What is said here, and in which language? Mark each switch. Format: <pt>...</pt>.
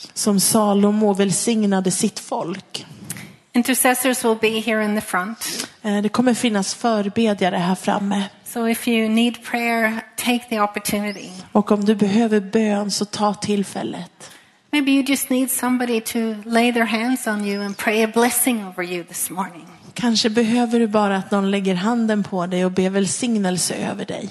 <sv>Som Salomo välsignade sitt folk.</sv> <en>Intercessors will be here in the front.</en> <sv>Det kommer finnas förbedjare här framme.</sv> <en>So if you need prayer, take the opportunity.</en> <sv>Och om du behöver bön så ta tillfället.</sv> <en>Maybe you just need somebody to lay their hands on you and pray a blessing over you this morning.</en> <sv>Kanske behöver du bara att någon lägger handen på dig och ber välsignelse över dig.</sv>